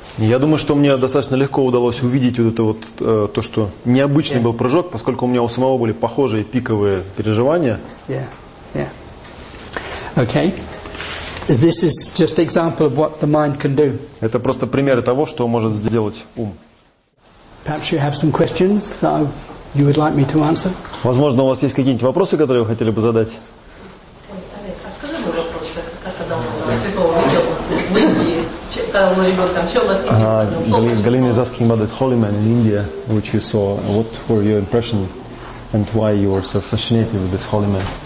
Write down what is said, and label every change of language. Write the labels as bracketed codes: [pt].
[ru] Я думаю, что мне достаточно легко удалось увидеть вот это вот то, что необычный был прыжок, поскольку у меня у самого были похожие пиковые переживания. [en] Yeah. Yeah. Okay. This is just example of what the mind can do. [ru] Это просто примеры того, что может сделать ум. [en] Perhaps you have some questions that you would like me to answer. [ru] Возможно, у вас есть какие-нибудь вопросы, которые вы хотели бы задать? А скажи, пожалуйста, когда вы святого видели в Индии, [en] Galina is asking about the holy man in India, which you saw. What were your impressions and why you were so fascinated with this holy man?